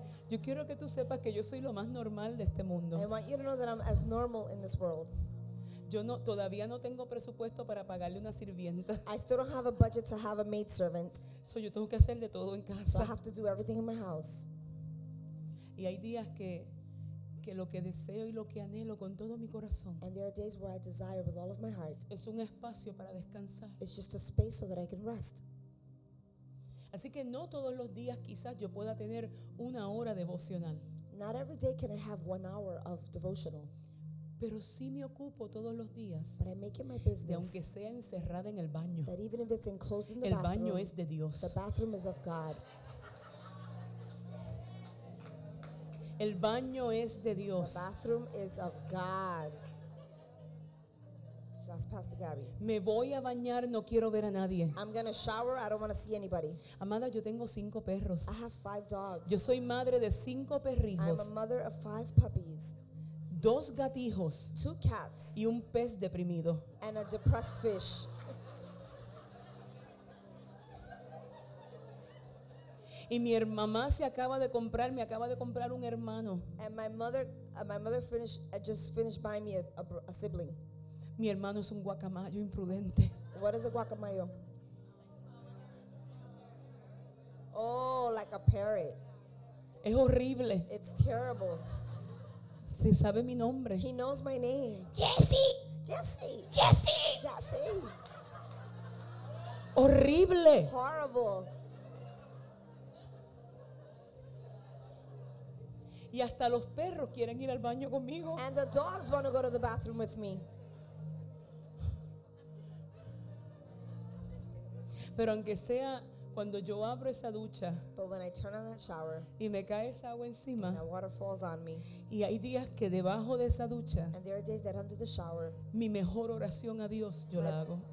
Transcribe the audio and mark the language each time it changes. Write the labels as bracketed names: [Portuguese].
[Spanish] Yo quiero que tú sepas que yo soy lo más normal de este mundo. [English] I want you to know that I'm as normal in this world. [Spanish] Yo no, todavía no tengo presupuesto para pagarle una sirvienta. [English] I still don't have a budget to have a maid servant. [Spanish] So yo tengo que hacer de todo en casa. [English] So I have to do everything in my house. [Spanish] Y hay días que lo que deseo y lo que anhelo con todo mi corazón. [English] And there are days where I desire with all of my heart. [Spanish] Es un espacio para descansar. [English] It's just a space so that I can rest. [Spanish] Así que no todos los días quizás yo pueda tener una hora devocional. [English] Not every day can I have 1 hour of devotional. [Spanish] Pero sí me ocupo todos los días. [English] But I make it my business. [Spanish] De aunque sea encerrada en el baño. [English] That even if it's enclosed in the bathroom. [Spanish] El baño es de Dios. [English] The bathroom is of God. [Spanish] El baño es de Dios. [English] The bathroom is of God. [Spanish] Pastor Gabby. Me voy a bañar, no quiero ver a nadie. [English] I'm gonna shower, I don't want to see anybody. [Spanish] Amada, yo tengo 5 perros. [English] I have 5 dogs. [Spanish] Yo soy madre de 5 perrijos. [English] I'm a mother of 5 puppies. [Spanish] 2 gatijos. [English] 2 cats. [Spanish] Y un pez deprimido. [English] And a depressed fish. [Spanish] Y mi mamá se acaba de comprar, me acaba de comprar un hermano. [English] And my mother just finished buying me a sibling. [Spanish] Mi hermano es un guacamayo imprudente. [English] What is a guacamayo? Oh, like a parrot. [Spanish] Es horrible. [English] It's terrible. [Spanish] Se sabe mi nombre. [English] He knows my name. [Spanish] Jesse. [English] Jesse. [Spanish] Jesse. [English] Jesse. [Spanish] Horrible. [English] Horrible. [Spanish] Y hasta los perros quieren ir al baño conmigo. [English] And the dogs want to go to the bathroom with me. [Spanish] Pero aunque sea cuando yo abro esa ducha [English] shower, [Spanish] y me cae esa agua encima [English] water falls on me, [Spanish] y hay días que debajo de esa ducha [English] shower, [Spanish] mi mejor oración a Dios yo la hago.